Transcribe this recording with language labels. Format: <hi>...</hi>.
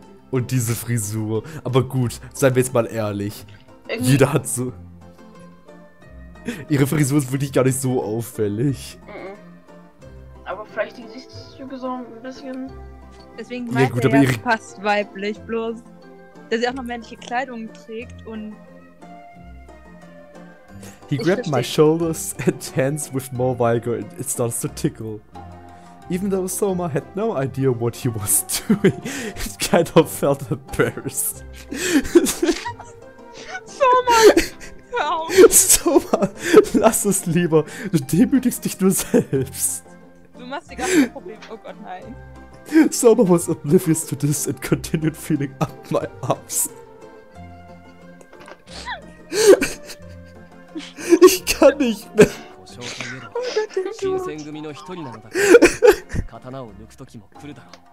<de>Und diese Frisur, aber gut, seien wir jetzt mal ehrlich. Irgendwie. Jeder hat so. Ihre Frisur ist wirklich gar nicht so auffällig. Aber vielleicht die Gesichtszüge so ein bisschen. Deswegen meinte ja, er, ihre... passt weiblich, bloß, dass sie auch noch männliche Kleidung trägt und...</de> <en>He grabbed my shoulders and hands with more vigor and it starts to tickle. Even though Soma had no idea what he was doing, it kind of felt embarrassed. Soma!</en> <de>Soma, lass es lieber, du demütigst dich nur selbst. Du machst dir gar kein Problem, oh Gott, nein.</de> <en>Soma was oblivious to this and continued feeling up my arms.</en> <de>Ich kann nicht mehr. Oh Gott,</de> <ja>Katana wo nuku toki mo kuru daro.</ja>